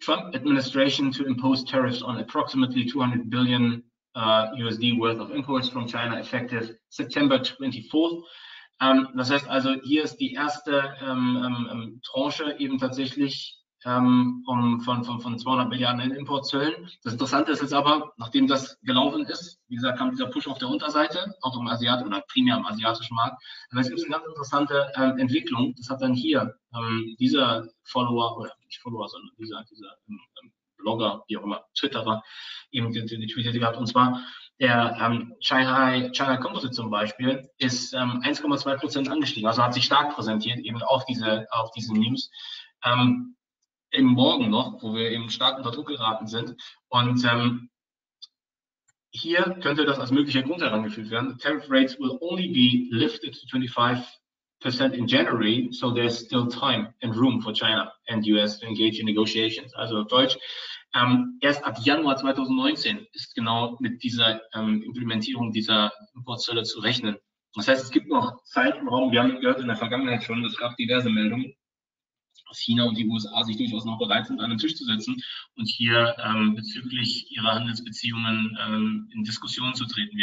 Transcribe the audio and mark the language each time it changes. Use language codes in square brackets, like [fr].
[en] Trump Administration to impose tariffs on approximately 200 billion USD worth of imports from China effective September 24th. [de] Das heißt also, hier ist die erste Tranche eben tatsächlich von 200 Milliarden in Importzöllen. Das Interessante ist jetzt aber, nachdem das gelaufen ist, wie gesagt, kam dieser Push auf der Unterseite, auch im Asiat oder primär im asiatischen Markt. Aber es gibt eine ganz interessante Entwicklung. Das hat dann hier dieser Follower, oder nicht Follower, sondern dieser Blogger, wie auch immer, Twitterer, eben getweetet gehabt. Und zwar der China Composite zum Beispiel ist 1,2% angestiegen, also hat sich stark präsentiert, eben auf diese News. Im Morgen noch, wo wir eben stark unter Druck geraten sind. Und hier könnte das als möglicher Grund herangeführt werden. [en] The tariff rates will only be lifted to 25% in January, so there's still time and room for China and US to engage in negotiations. [de] Also auf Deutsch. Erst ab Januar 2019 ist genau mit dieser Implementierung dieser Importzölle zu rechnen. Das heißt, es gibt noch Zeit und Raum. Wir haben gehört in der Vergangenheit schon, es gab diverse Meldungen, dass China und die USA sich durchaus noch bereit sind, an den Tisch zu setzen und hier bezüglich ihrer Handelsbeziehungen in Diskussion zu treten.